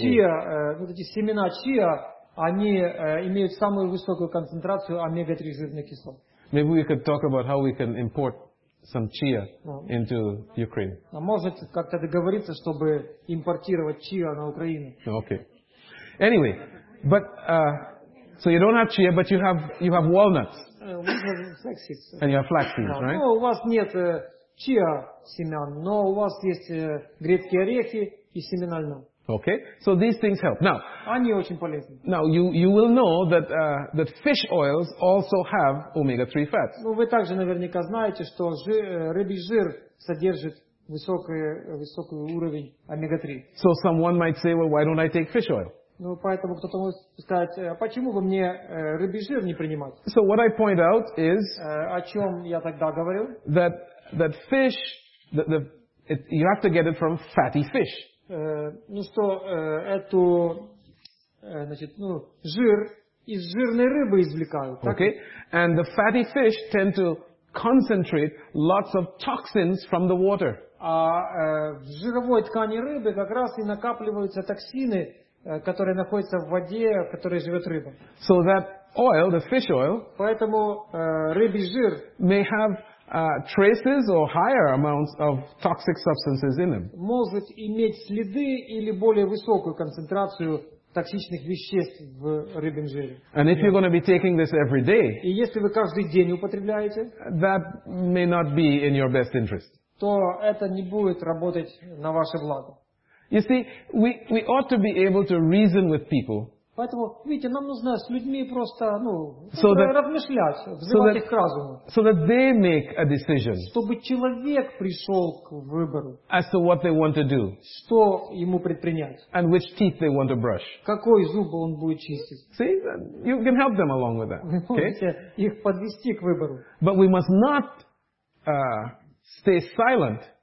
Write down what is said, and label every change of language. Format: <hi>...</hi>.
<ru>Chia, вот эти семена chia, они имеют самую высокую концентрацию омега-3 жирных кислот.</ru> <en>Maybe we could talk about how we can import some chia into Ukraine.</en> <ru>А может как-то договориться, чтобы импортировать chia на Украину?</ru> <en>Okay. Anyway, but so you don't have chia, but you have walnuts. And you have flax seeds, yeah, right?</en> <ru>Ну, у вас нет chia семян, но у вас есть грецкие орехи и семена льна.</ru> <en>Okay? So these things help. Now,</en> <ru>они очень полезны.</ru> <en>Now you will know that that fish oils also have omega-3 fats.</en> <ru>Ну вы также наверняка знаете, что рыбий жир содержит высокий уровень омега-3.</ru> <en>So someone might say, well, why don't I take fish oil?</en> <ru>Ну, поэтому кто-то может сказать, а почему бы мне рыбий жир не принимать?</ru> <en>So what I point out is,</en> <ru>о чем я тогда говорил?</ru> <en>That fish, you have to get it from fatty fish.</en> <ru>Ну что, эту, значит, ну, жир из жирной рыбы извлекают.</ru> <en>Okay, and the fatty fish tend to concentrate lots of toxins from the water.</en> <ru>А в жировой ткани рыбы как раз и накапливаются токсины, которые находятся в воде, в которой живет рыба.</ru> <en>So that oil, the fish oil,</en> <ru>поэтому рыбий жир</ru> <en>may have traces or higher amounts of toxic substances in them.</en> <ru>Может иметь следы или более высокую концентрацию токсичных веществ в рыбьем жире.</ru> <en>And if you're going to be taking this every day,</en> <ru>и если вы каждый день употребляете,</ru> <en>that may not be in your best interest.</en> <ru>То это не будет работать на ваше благо.</ru> <en>You see, we ought to be able to reason with people.</en> <ru>Поэтому, видите, нам нужно с людьми просто, ну,</ru> <en>so that,</en> <ru>размышлять, взывать их к разуму.</ru> <en>So that they make a decision.</en> <ru>Чтобы человек пришел к выбору.</ru> <en>As to what they want to do.</en> <ru>Что ему предпринять.</ru> <en>And which teeth they want to brush.</en> <ru>Какой зуб он будет чистить.</ru> <en>See, you can help them along with that.</en> <ru>Вы можете их подвести к выбору.</ru> <en>But we must not stay silent.</en>